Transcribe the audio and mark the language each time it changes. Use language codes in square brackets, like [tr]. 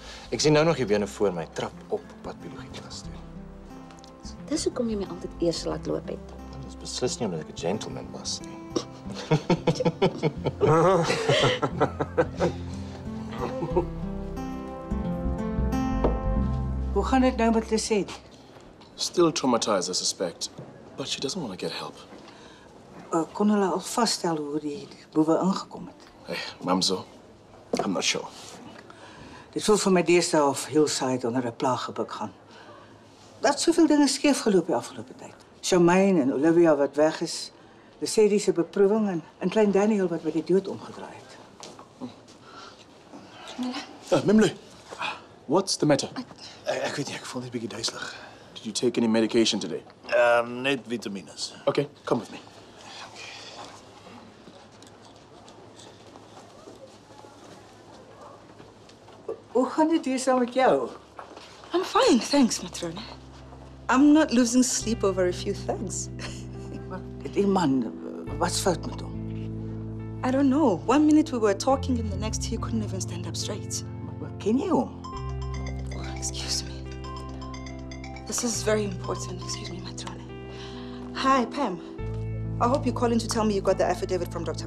[af] Ek sien nou nog jou bene voor my trap op pad biologie klas toe. Dis hoekom jy my altyd eers laat loop het. Dit is beslis nie omdat ek 'n gentleman was nie. Hoe gaan dit nou met Lisette? [en] Still traumatized, I suspect. But she doesn't want to get help. [af] Kon hulle al vasstel hoe die boewe ingekom het? [en] Hey, mamzo, I'm not sure. [af] Dit voel vir my deesdae of Hillside onder 'n plaag gebuk gaan. Dat soveel dinge skeef geloop die afgelope tyd. Charmaine en Olivia wat weg is, Lisette se beproewing en klein Daniel wat by die dood omgedraai het. [en] Mimle. What's the matter? [af] Ek weet nie, ek voel net 'n bietjie duiselig. [en] Did you take any medication today? [af] Net vitamines. [en] Okay, come with me. [af] Hoe gaan dit hier saam met jou? [en] I'm fine, thanks, Matrone. I'm not losing sleep over a few things. [af] Wat? Die man, wat's fout met hom? [en] I don't know. One minute we were talking and the next he couldn't even stand up straight. [af] Wat ken jy hom? [en] Excuse me. This is very important. Excuse me, Matrone. Hi, Pam. I hope you call in to tell me you got the affidavit from Dr.